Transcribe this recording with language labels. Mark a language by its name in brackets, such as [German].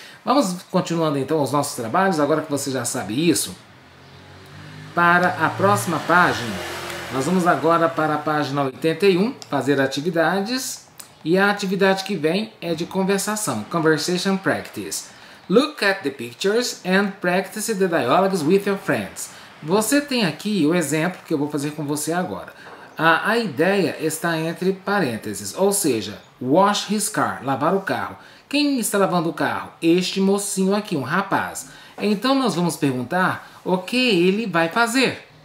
[Portuguese] Vamos continuando então os nossos trabalhos, agora que você já sabe isso. Para a próxima página, nós vamos agora para a página 81, fazer atividades. E a atividade que vem é de conversação, [English] conversation practice. Look at the pictures and practice the dialogues with your friends. [Portuguese] Você tem aqui o exemplo que eu vou fazer com você agora. A ideia está entre parênteses, ou seja, [English] wash his car, [Portuguese] lavar o carro. Quem está lavando o carro? Este mocinho aqui, um rapaz. Então nós vamos perguntar o que ele vai fazer.